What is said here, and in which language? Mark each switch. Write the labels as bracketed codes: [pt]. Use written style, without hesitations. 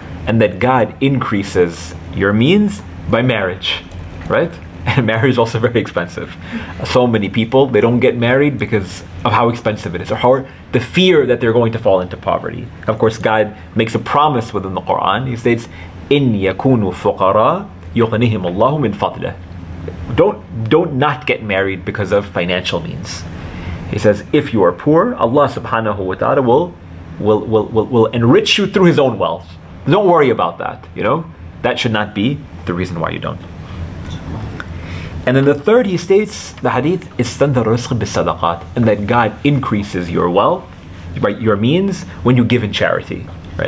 [en] And that God increases your means by marriage, right? And marriage is also very expensive. So many people, they don't get married because of how expensive it is, or how the fear that they're going to fall into poverty. Of course, God makes a promise within the Quran. He states, [ar] إِن يَكُونُوا فُقَرَى يُغْنِهِمْ اللَّهُ مِنْ فَضْلِهِ. [en] Don't not get married because of financial means. He says, if you are poor, Allah subhanahu wa ta'ala will enrich you through his own wealth. Don't worry about that, you know? That should not be the reason why you don't. And then the third, he states, the hadith, [ar] istanzara rizq bis-sadaqat, [en] and that God increases your wealth, by your means, when you give in charity. Right?